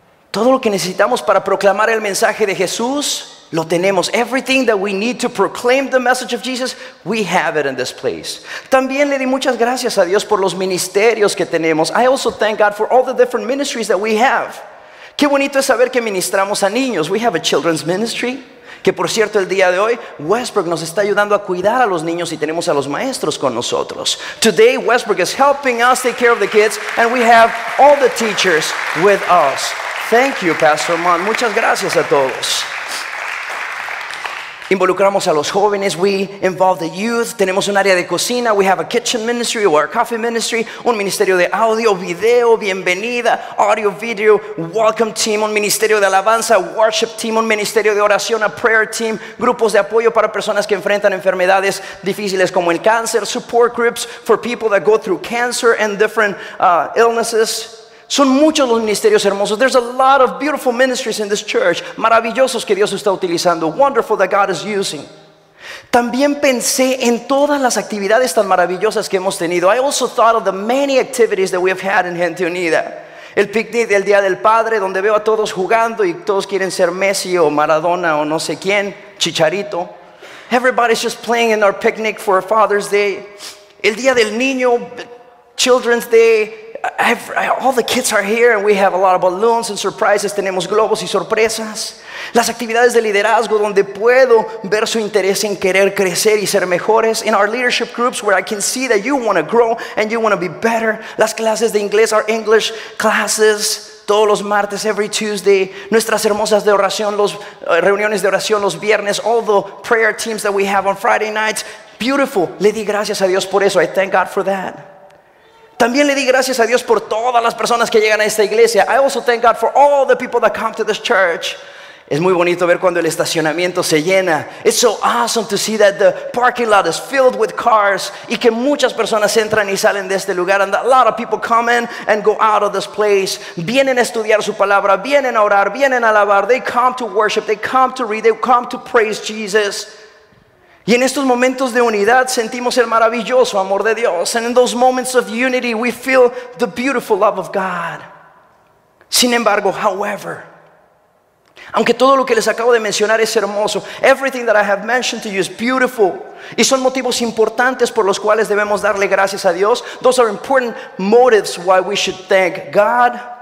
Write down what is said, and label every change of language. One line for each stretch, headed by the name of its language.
Spanish: Todo lo que necesitamos para proclamar el mensaje de Jesús, lo tenemos.
English: Everything that we need to proclaim the message of Jesus, we have it in this place.
Spanish: También le di muchas gracias a Dios por los ministerios que tenemos.
English: I also thank God for all the different ministries that we have.
Spanish: Qué bonito es saber que ministramos a niños.
English: We have a children's ministry.
Spanish: Que por cierto, el día de hoy, Westbrook nos está ayudando a cuidar a los niños y tenemos a los maestros con nosotros.
English: Today, Westbrook is helping us take care of the kids and we have all the teachers with us. Thank you,
Spanish: Pastor Mon. Muchas gracias a todos. Involucramos a los jóvenes.
English: We involve the youth.
Spanish: Tenemos un área de cocina.
English: We have a kitchen ministry or a coffee ministry.
Spanish: Un ministerio de audio, video, bienvenida.
English: Audio, video, welcome team.
Spanish: Un ministerio de alabanza,
English: worship team.
Spanish: Un ministerio de oración,
English: a prayer team.
Spanish: Grupos de apoyo para personas que enfrentan enfermedades difíciles como el cáncer.
English: Support groups for people that go through cancer and different illnesses.
Spanish: Son muchos los ministerios hermosos.
English: There's a lot of beautiful ministries in this church.
Spanish: Maravillosos que Dios está utilizando.
English: Wonderful that God is using.
Spanish: También pensé en todas las actividades tan maravillosas que hemos tenido.
English: I also thought of the many activities that we have had in Gente Unida.
Spanish: El picnic del Día del Padre, donde veo a todos jugando y todos quieren ser Messi o Maradona o no sé quién, Chicharito.
English: Everybody's just playing in our picnic for Father's Day.
Spanish: El Día del Niño,
English: Children's Day. All the kids are here and we have a lot of balloons and surprises.
Spanish: Tenemos globos y sorpresas. Las actividades de liderazgo, donde puedo ver su interés en querer crecer y ser mejores.
English: In our leadership groups, where I can see that you want to grow and you want to be better.
Spanish: Las clases de inglés,
English: our English classes,
Spanish: todos los martes,
English: every Tuesday.
Spanish: Nuestras hermosas de oración, los reuniones de oración los viernes.
English: All the prayer teams that we have on Friday nights.
Spanish: Beautiful. Le di gracias a Dios por eso.
English: I thank God for that.
Spanish: También le di gracias a Dios por todas las personas que llegan a esta iglesia.
English: I also thank God for all the people that come to this church.
Spanish: Es muy bonito ver cuando el estacionamiento se llena.
English: It's so awesome to see that the parking lot is filled with cars
Spanish: y que muchas personas entran y salen de este lugar,
English: and a lot of people come in and go out of this place.
Spanish: Vienen a estudiar su palabra, vienen a orar, vienen a alabar.
English: They come to worship, they come to read, they come to praise Jesus.
Spanish: Y en estos momentos de unidad sentimos el maravilloso amor de Dios.
English: And in those moments of unity, we feel the beautiful love of God.
Spanish: Sin embargo, however, aunque todo lo que les acabo de mencionar es hermoso,
English: everything that I have mentioned to you is beautiful,
Spanish: y son motivos importantes por los cuales debemos darle gracias a Dios,
English: those are important motives why we should thank God.